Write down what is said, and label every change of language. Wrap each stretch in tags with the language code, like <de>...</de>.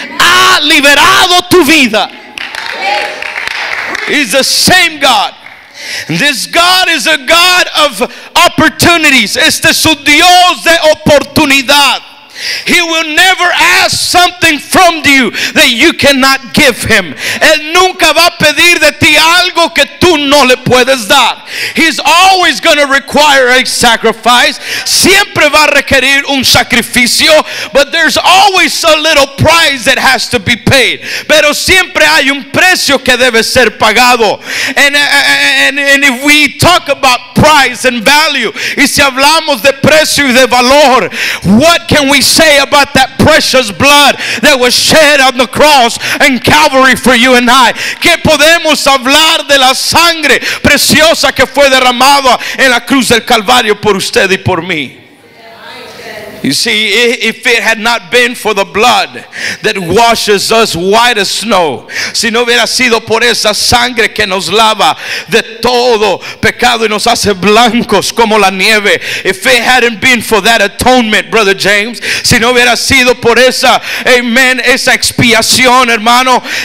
<es>Ha liberado tu vida.</es> <en>He's the same God. This God is a God of opportunities.</en> <es>Este es un Dios de oportunidad.</es> <en>He will never ask something from you that you cannot give him.</en> <es>Él nunca va a pedir de ti algo que tú no le puedes dar.</es> <en>He's always going to require a sacrifice.</en> <es>Siempre va a requerir un sacrificio.</es> <en>But there's always a little price that has to be paid.</en> <es>Pero siempre hay un precio que debe ser pagado.</es> <en>And if we talk about price and value,</en> <es>y si hablamos de precio y de valor,</es> <en>what can we say about that precious blood that was shed on the cross and Calvary for you and I?</en> <es>¿Qué podemos hablar de la sangre preciosa que fue derramada en la cruz del Calvario por usted y por mí?</es> <en>You see, if it had not been for the blood that washes us white as snow,</en> <es>si no hubiera sido por esa sangre que nos lava de todo pecado y nos hace blancos como la nieve,</es> <en>if it hadn't been for that atonement, Brother James,</en> <es>si no hubiera sido por esa, amen, esa expiación, hermano,</es>